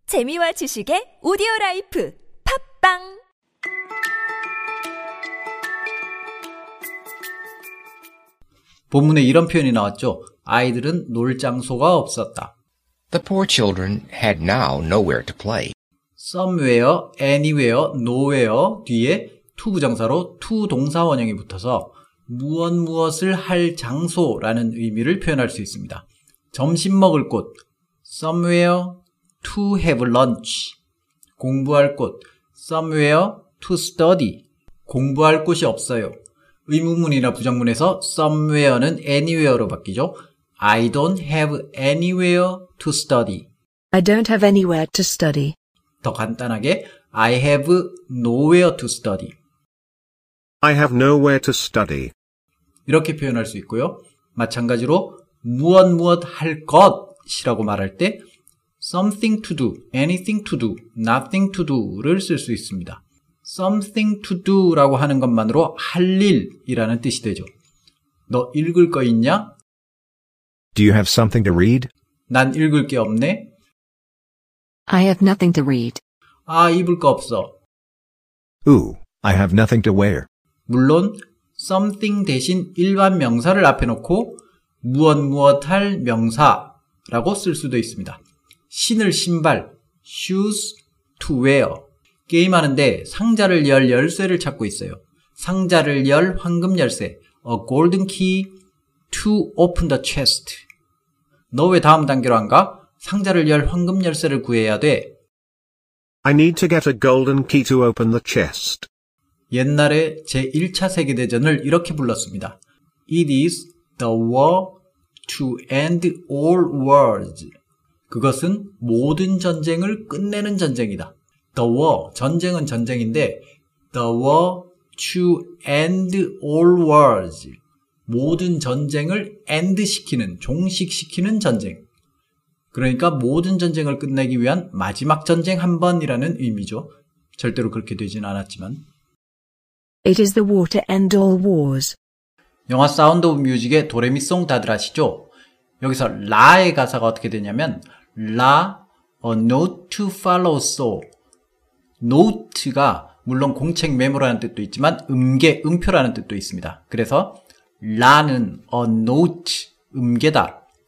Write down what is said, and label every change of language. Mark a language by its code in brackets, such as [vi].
[ko] 재미와 지식의 오디오라이프 팝빵 본문에 이런 표현이 나왔죠. 아이들은 놀 장소가 없었다. [en] The poor children had now nowhere to play. Somewhere, anywhere, nowhere [ko] 뒤에 to 부정사로 to 동사원형이 붙어서 무언 무엇을 할 장소라는 의미를 표현할 수 있습니다. 점심 먹을 곳, [en] somewhere to have lunch. [ko] 공부할 곳, [en] somewhere to study. [ko] 공부할 곳이 없어요. 의문문이나 부정문에서 somewhere는 anywhere로 바뀌죠. [en] I don't have anywhere to study. I don't have anywhere to study. [ko] 더 간단하게 [en] I have nowhere to study. I have nowhere to study. [ko] 이렇게 표현할 수 있고요. 마찬가지로 무엇 무엇 할 것이라고 말할 때 [en] something to do, anything to do, [ko] nothing to do를 쓸 수 있습니다. [en] something to do [ko] 라고 하는 것만으로 할 일이라는 뜻이 되죠. 너 읽을 거 있냐? [en] Do you have something to read? [ko] 난 읽을 게 없네. [en] I have nothing to read. [ko] 아, 입을 거 없어. [en] Ooh, I have nothing to wear. [ko] 물론, something 대신 일반 명사를 앞에 놓고 무엇 무엇 할 명사라고 쓸 수도 있습니다. 신을 신발, [en] shoes to wear. [ko] 게임하는데 상자를 열 열쇠를 찾고 있어요. 상자를 열 황금 열쇠, [en] a golden key to open the chest. [ko] 너 왜 다음 단계로 안 가? 상자를 열 황금 열쇠를 구해야 돼. [en] I need to get a golden key to open the chest. [ko] 옛날에 제 1차 세계대전을 이렇게 불렀습니다. [en] It is the war to end all wars. [ko] 그것은 모든 전쟁을 끝내는 전쟁이다. [en] The war, [ko] 전쟁은 전쟁인데 [en] The war to end all wars. [ko] 모든 전쟁을 end 시키는, 종식시키는 전쟁. 그러니까 모든 전쟁을 끝내기 위한 마지막 전쟁 한 번이라는 의미죠. 절대로 그렇게 되진 않았지만. [en] It is the war to end all wars. [ko] 영화 사운드 오브 뮤직의 도레미송 다들 아시죠? 여기서 라의 가사가 어떻게 되냐면 라, [en] a note to follow so. [ko] 노트가 물론 공책 메모라는 뜻도 있지만 음계, 음표라는 뜻도 있습니다. 그래서 라는 a note, 음계다.